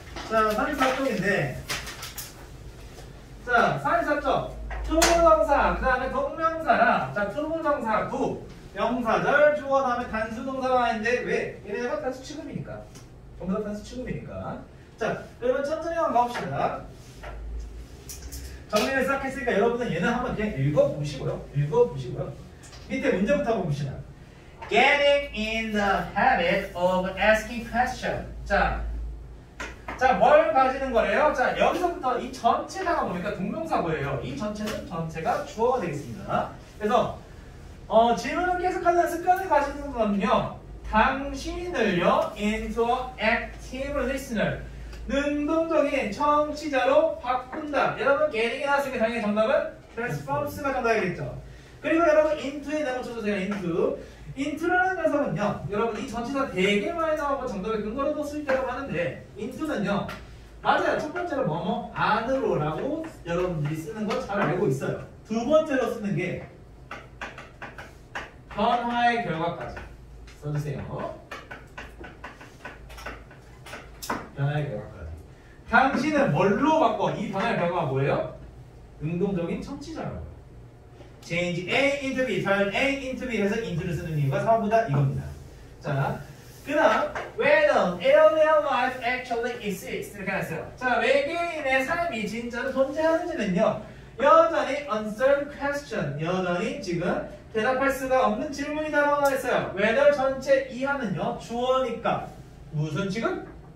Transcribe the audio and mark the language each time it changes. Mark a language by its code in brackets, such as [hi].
[ko] 자, 34쪽인데 자, 34쪽 투부정사, 그 다음에 동명사랑 자, 투부정사, 구 명사절, 주어, 다음에 단수동사가 있는데 왜? 얘네가 단수취급이니까 동사 단수취급이니까 자, 그러면 천천히 한번 가봅시다. 정리를 싹 했으니까 여러분은 얘는 한번 그냥 읽어보시고요. 읽어보시고요. 밑에 문제부터 한번 봅시다. [en] Getting in the habit of asking questions. [ko] 자, 자, 뭘 가지는 거래요? 자, 여기서부터 이 전체가 뭡니까? 동명사고예요. 이 전체는 전체가 주어가 되겠습니다. 그래서 질문을 계속하는 습관을 가지는 거는요. 당신을요, [en] into an active listener. [ko] 능동적인 청취자로 바꾼다. 여러분, getting이 나왔으니까 당연히 정답은 transforms가 정답이겠죠. 그리고 여러분, into에 대한 것 쳐주세요. into. into라는 명사는요, 여러분, 이 전체가 되게 많이 나오고 정답의 근거로도 수입되고 하는데, into는요, 맞아요. 첫 번째로 뭐뭐, 안으로라고 여러분들이 쓰는 거 잘 알고 있어요. 두 번째로 쓰는 게, 변화의 결과까지 써주세요. 변화의 결과까지. 당신은 뭘로 바꿔? 이 변화의 결과가 뭐예요? 능동적인 청취자라고. [en] Change A into B, turn A into B [ko] 해서 into를 쓰는 이유가 3번보다 이겁니다. 자, 그 다음 [en] When alien life actually exists [ko] 이렇게 하세요. 자, 외계인의 삶이 진짜로 존재하는지는요 여전히 [en] uncertain question, [ko] 여전히 지금 대답할 수가 없는 질문이다 라고 했어요. Whether 전체 이하는요 주어니까 무슨 지금?